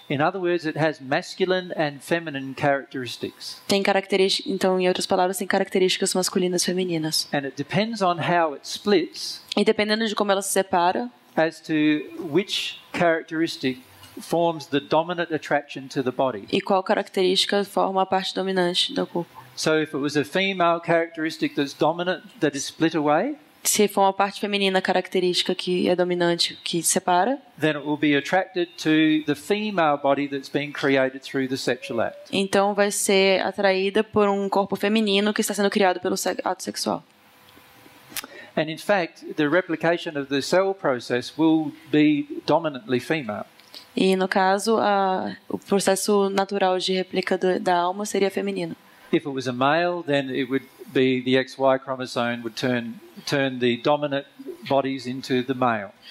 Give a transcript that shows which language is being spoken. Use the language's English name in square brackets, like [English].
[English] In other words, it has masculine and feminine characteristics. [Portuguese] Tem características, então, em outras palavras, tem características masculinas e femininas. [English] And it depends on how it splits. [Portuguese] E dependendo de como ela se separa, [English] as to which characteristic forms the dominant attraction to the body. [Portuguese] E qual característica forma a parte dominante do corpo? [English] So if it was a female characteristic that's dominant, that is split away. [Portuguese] Se for uma parte feminina característica que é dominante, que separa, [English] then it will be attracted to the female body that's being created through the sexual act. [Portuguese] Então vai ser atraída por um corpo feminino que está sendo criado pelo ato sexual. [English] And in fact, the replication of the cell process will be dominantly female. [Portuguese] E no caso, o processo natural de replica da alma seria feminino. [English] If it was a male, then it would be the XY chromosome would turn the dominant bodies into the male.